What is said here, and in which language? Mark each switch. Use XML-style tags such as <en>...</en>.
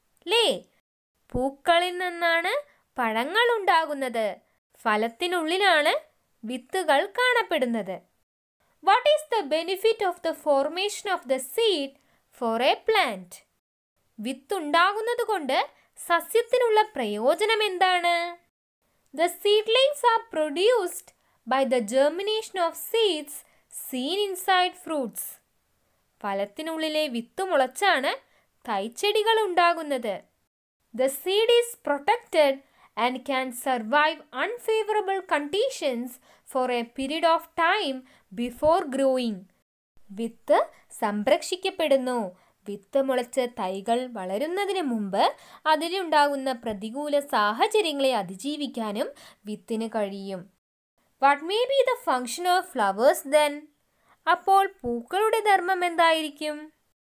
<ml>ലേ, പൂക്കളിൽ നിന്നാണ് പഴങ്ങൾ ഉണ്ടാകുന്നത്, ഫലത്തിനുള്ളിലാണ് വിത്തുകൾ കാണപ്പെടുന്നത്.</ml> <en>What is the benefit of the formation of the seed for a plant?</en> <ml>വിത്തുണ്ടാകുന്നത് കൊണ്ട് സസ്യത്തിനുള്ള പ്രയോജനം എന്താണ്?</ml> <en>The seedlings are produced by the germination of seeds seen inside fruits.</en> <ml>ഫലത്തിനുള്ളിലെ വിത്ത് മുളച്ചാണ് തൈച്ചെടികൾ ഉണ്ടാകുന്നത്.</ml> <en>The seed is protected and can survive unfavorable conditions for a period of time before growing.</en> <ml>വിത്ത് സംരക്ഷിക്കപ്പെടുന്നു. വിത്ത് മുളച്ച് തൈകൾ വളരുന്നതിന് മുമ്പ് അതിലുണ്ടാകുന്ന പ്രതികൂല സാഹചര്യങ്ങളെ അതിജീവിക്കാനും വിത്തിന് കഴിയും.</ml> <en>What may be the function of flowers then?</en> <ml>അപ്പോൾ പൂക്കളുടെ ധർമ്മം എന്തായിരിക്കും?</ml>